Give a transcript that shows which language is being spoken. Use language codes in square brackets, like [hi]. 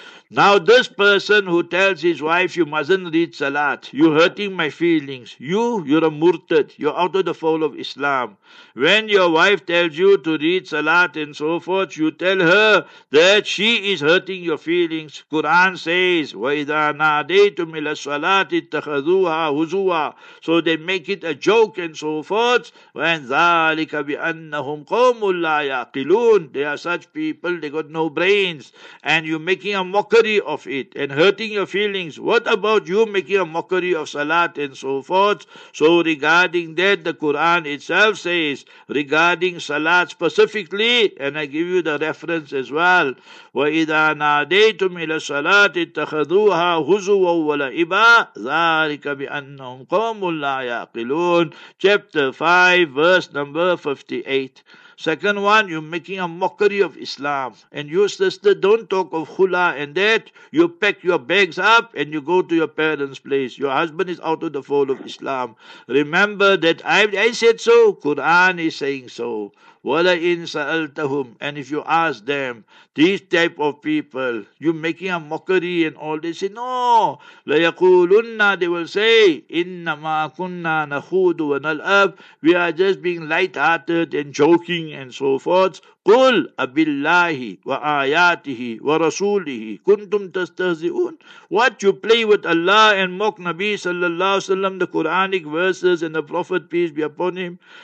[en] Now this person who tells his wife, you mustn't read Salat, you're hurting my feelings, you're a murtad, you're out of the fold of Islam. When your wife tells you to read Salat and so forth, you tell her that she is hurting your feelings. [ar] Quran says, وَإِذَا نَادَيْتُمْ إِلَى الصَّلَاةِ اتَّخَذُوهَا هُزُوًا. [en] So they make it a joke and so forth. [ar] وَذَلِكَ بِأَنَّهُمْ قَوْمٌ لَا يَعْقِلُونَ. [en] They are such people, they got no brains. And you're making a mockery of it and hurting your feelings. What about you making a mockery of Salat and so forth? So regarding that, the Quran itself says, regarding Salat specifically, and I give you the reference as well, [ar] وَإِذَا نَادَيْتُمْ إِلَى الصَّلَاةِ اتَّخَذُوهَا هُزُوًا وَلَعِبًا ذَلِكَ بِأَنَّهُمْ قَوْمٌ لَا يَعْقِلُونَ. [en] Chapter 5, verse number 58. Second one, you're making a mockery of Islam. And you, sister, don't talk of khula and that. You pack your bags up and you go to your parents' place. Your husband is out of the fold of Islam. Remember that I said so. Quran is saying so. [ar] وَلَئِن سَأَلْتَهُمْ. [en] And if you ask them, these type of people, you're making a mockery and all, they say, no. [ar] لَيَقُولُنَّا. [en] They will say, [ar] إِنَّمَا كُنَّا نَخُودُ وَنَلْأَبْ. [en] We are just being light-hearted and joking and so forth. [ar] قُلْ أَبِاللَّهِ وَآيَاتِهِ وَرَسُولِهِ كُنْتُمْ تَسْتَهْزِئُونَ. [en] What, you play with Allah and mock Nabi sallallahu alaihi wasallam, the Quranic verses and the Prophet, peace be upon him.